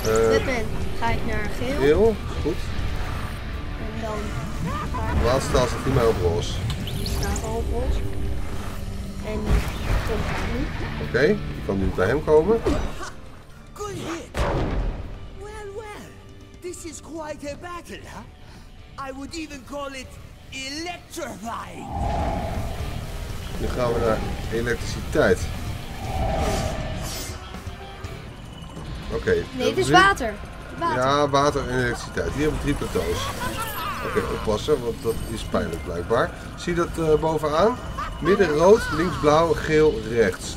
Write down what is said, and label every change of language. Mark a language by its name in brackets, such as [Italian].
[Dutch] Dit ben. Ga ik naar geel. Geel, goed. En dan... De laatste taal staat hier maar op roze. Staat al op roze. En die komt bij hem. Oké, ik kan nu bij hem komen. [English] Good hit. Well, well. This is quite a battle, huh? I would even call it electrifying. [Dutch] Nu gaan we naar elektriciteit. Okay. Nee, het is water. Ja, water en elektriciteit. Hier hebben we drie plateaus. Oké, oppassen, want dat is pijnlijk blijkbaar. Zie dat bovenaan? Midden rood, links blauw, geel rechts.